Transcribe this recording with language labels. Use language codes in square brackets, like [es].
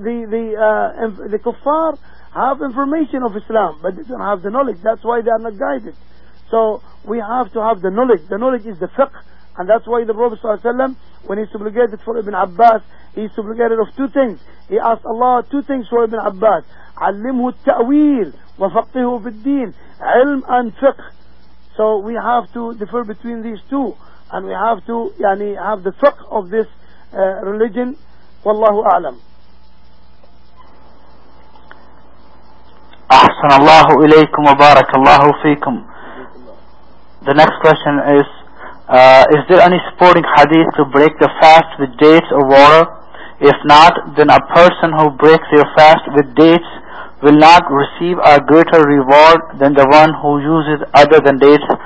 [en] The kuffar have information of Islam, but they don't have the knowledge. That's why they are not guided. So we have to have the knowledge. The knowledge is the fiqh. And that's why the Prophet ﷺ, when he supplicated for Ibn Abbas, he supplicated of two things. He asked Allah two things for Ibn Abbas. [ar] عَلِّمْهُ التَّأْوِيلِ وَفَقِّهُ فِي الدِّينِ. [en] Ilm and fiqh. So So we have to differ between these two, and we have to yani have the fiqh of this religion. Wallahu a'lam. [ar] أحسن الله إليكم وبارك الله فيكم. [en] The next question is there any supporting hadith to break the fast with dates or water? If not, then a person who breaks their fast with dates will not receive a greater reward than the one who uses other than dates.